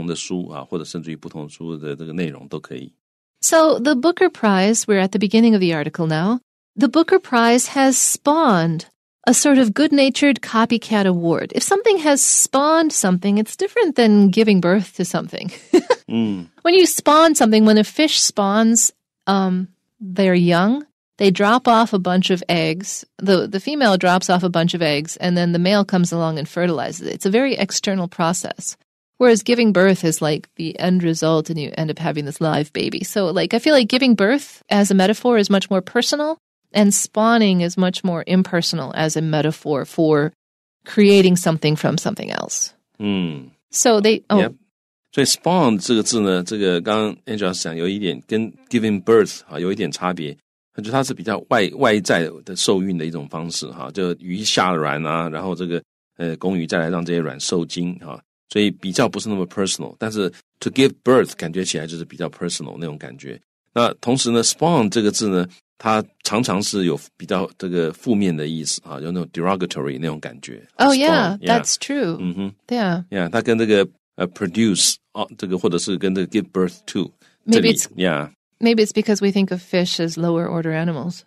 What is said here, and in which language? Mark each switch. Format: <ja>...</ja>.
<zh>所以你这个其实你如果参与的话，你也可以读很多，读到很多关于不同的书，或者甚至于不同书的这个内容都可以。</zh> <en>So the Booker Prize, we're at the beginning of the article now. The Booker Prize has spawned a sort of good-natured copycat award. If something has spawned something, it's different than giving birth to something. When you spawn something, when a fish spawns their young, they drop off a bunch of eggs. The female drops off a bunch of eggs, and then the male comes along and fertilizes it. It's a very external process. Whereas giving birth is like the end result, and you end up having this live baby. So like, I feel like giving birth as a metaphor is much more personal. And spawning is much more impersonal as a metaphor for creating something from something else. So they...</en> <zh>So spawn这个字呢, 这个刚刚Angela讲有一点跟 giving birth 有一点差别, 它是比较外在的受孕的一种方式,就鱼下卵啊, 然后这个公鱼再来让这些卵受精, 所以比较不是那么personal, 但是 to give birth 感觉起来就是比较personal那种感觉。那同时呢, spawn这个字呢, 它常常是有比较这个负面的意思，有那种 derogatory 那种感觉。Oh</zh> <en>yeah, that's true.</en> <zh>Yeah, 它跟这个 produce 这个或者是跟这个 give birth to.</zh> <en>Maybe it's because we think of fish as lower order animals.</en>